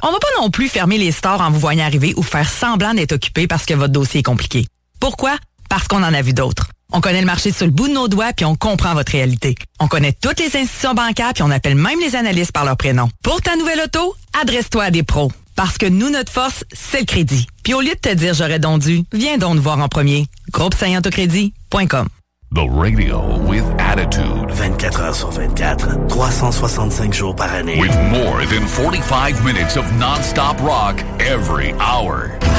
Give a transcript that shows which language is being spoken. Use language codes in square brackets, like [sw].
[fr] On va pas non plus fermer les stores en vous voyant arriver ou faire semblant d'être occupé parce que votre dossier est compliqué. Pourquoi? Parce qu'on en a vu d'autres. On connaît le marché sur le bout de nos doigts puis on comprend votre réalité. On connaît toutes les institutions bancaires puis on appelle même les analystes par leur prénom. Pour ta nouvelle auto, adresse-toi à des pros. Parce que nous, notre force, c'est le crédit. Puis au lieu de te dire j'aurais donc dû, viens donc nous voir en premier. GroupeSaintAutoCrédit.com. [en] The radio with attitude. [fr] 24 heures sur 24, 365 jours par année. [en] With more than 45 minutes of non-stop rock every hour.